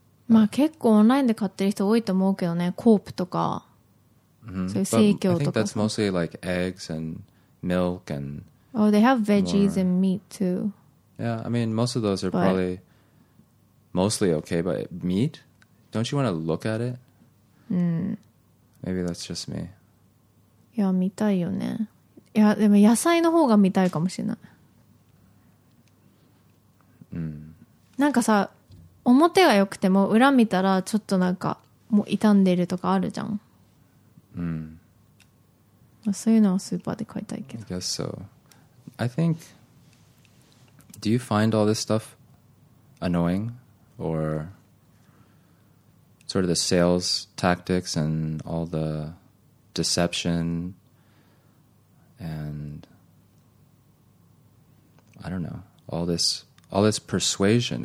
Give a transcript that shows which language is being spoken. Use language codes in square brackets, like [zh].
[ja] まあ結構オンラインで買ってる人多いと思うけどね。コープとか。 Mm-hmm. [en] But I think that's mostly like eggs and milk and... Oh, they have veggies、more. And meat too. Yeah, I mean, most of those are probably mostly okay, but meat? Don't you want to look at it?、 Mm. Maybe that's just me. Yeah, [ja] 見たいよね。いや、でも野菜の方が見たいかもしれない。なんかさ、表が良くても裏見たらちょっとなんかもう傷んでるとかあるじゃん。 Mm. そういうのはスーパーで買いたいけど。 [en] I guess so. I think. Do you find all this stuff annoying, or sort of the sales tactics and all the deception and, I don't know, all this persuasion.